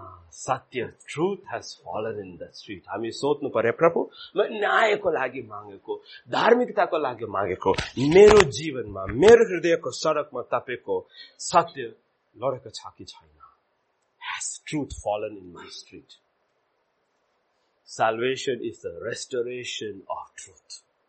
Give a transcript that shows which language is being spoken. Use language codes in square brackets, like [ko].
[en] सत्य, truth has fallen in the street. [ne] हामी सोध्नु पर्यो, प्रभु म न्यायको लागि मागेको, धार्मिकताको लागि मागेको, मेरो जीवनमा, मेरो हृदयको सडकमा तपाईँको सत्य लडेको छ कि छैन? [en] Has truth fallen in my street? Salvation is the restoration of truth.